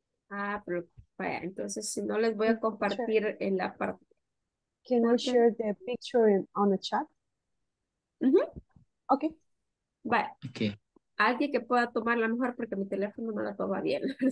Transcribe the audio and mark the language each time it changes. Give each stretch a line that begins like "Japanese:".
Spanish: Ah, pero vaya, entonces si no les voy a compartir sure. en la parte.
English: Can I share the picture in, on the chat? Uh-huh. Ok.
Spanish: Vaya.
English: Okay.
Spanish: Alguien que pueda tomarla mejor porque mi teléfono no la toma bien.